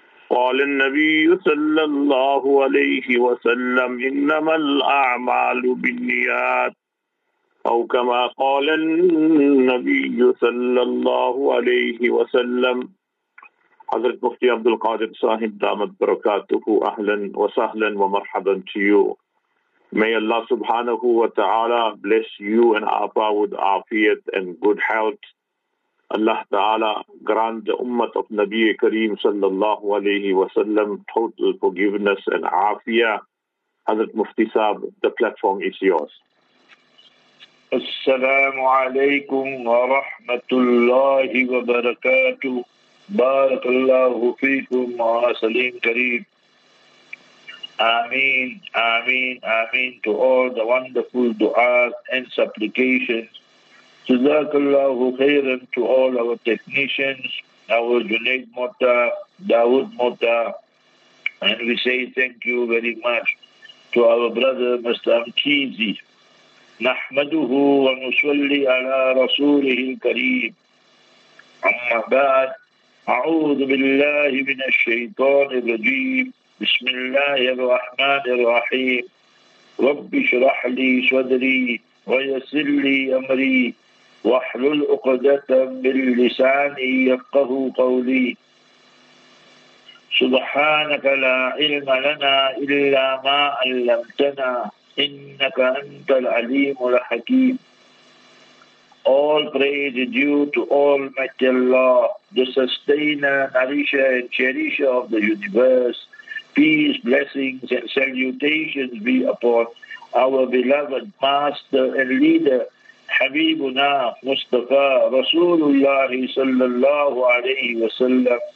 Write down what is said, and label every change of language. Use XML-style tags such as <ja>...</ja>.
<ar>قال النبي صلى الله عليه وسلم, إنما الأعمال بالنيات, أو كما قال النبي صلى الله عليه وسلم. حضرت مفتي عبد القادر صاحب, دامت بركاته, أهلا وسهلا ومرحبا</ar> <en>to you. May Allah subhanahu wa ta'ala bless you and Afa with afiyat and good health. Allah ta'ala grant the ummah of Nabi Kareem صلى الله عليه وسلم total forgiveness and afiyah. Hazrat Mufti Sahib, the platform is yours.</en> <ar>السلام عليكم ورحمة الله وبركاته. بارك الله فيكم وسلم كريم. آمين آمين آمين</ar> <en>to all the wonderful du'as and supplications.</en> <ar>جزاك الله خيرا</ar> <en>to all our technicians, our Junaid Mota, Dawood Mota, and we say thank you very much to our brother Mr.</en> <ar>Amkizi. نحمده ونصلي على رسوله الكريم. أما بعد, أعوذ بالله من الشيطان الرجيم, بسم الله الرحمن الرحيم. رب اشرح لي صدري ويسر لي أمري واحلل عقدة من لساني يفقه قولي. سبحانك لا علم لنا إلا ما علمتنا, إنك أنت العليم الحكيم.</ar> <en>All praise is due to Almighty Allah, the sustainer, nourisher and cherisher of the universe. Peace, blessings and salutations be upon our beloved master and leader, Habibuna Mustafa Rasulullah sallallahu alayhi wa sallam.</en>